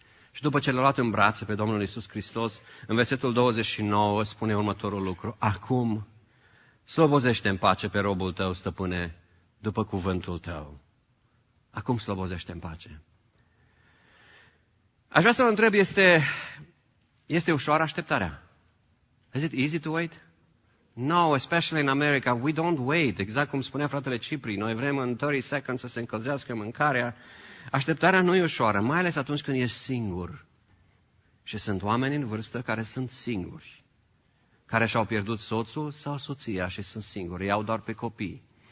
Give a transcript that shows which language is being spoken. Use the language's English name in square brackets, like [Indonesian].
[Romanian] Și după ce l-a luat în brațe pe Domnul Iisus Hristos, în versetul 29 spune următorul lucru, acum slobozește în pace pe robul tău, stăpâne, după cuvântul tău. Acum slobozește în pace. Aș vrea să-l întreb, este ușoară așteptarea? [English] Is it easy to wait? No, especially in America, we don't wait. [Romanian] Exact cum spunea fratele Cipri, noi vrem în [English] 30 seconds [Romanian] să se încălzească mâncarea. Așteptarea nu e ușoară, mai ales atunci când ești singur. Și sunt oameni în vârstă care sunt singuri, care și-au pierdut soțul sau soția și sunt singuri, ei au doar pe copii.